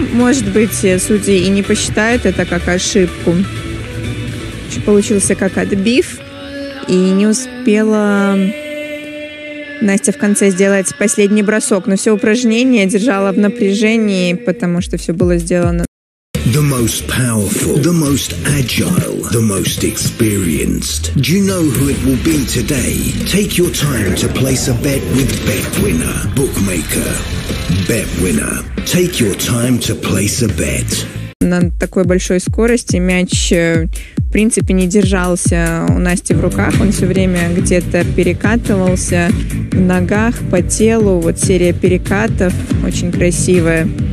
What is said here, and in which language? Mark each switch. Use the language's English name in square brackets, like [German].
[Russian] Может быть, судьи и не посчитают это как ошибку. Еще получился как отбив. И не успела Настя в конце сделать последний бросок. Но все упражнение держала в напряжении, потому что все было сделано. [English] The most powerful, the most agile, the most experienced. Do you know who it will be today? Take your time to place a bet with BetWinner. Bookmaker. BetWinner. Take your time to place a bet. [Russian] На такой большой скорости мяч, в принципе, не держался у Насти в руках. Он все время где-то перекатывался в ногах, по телу. Вот серия перекатов очень красивая.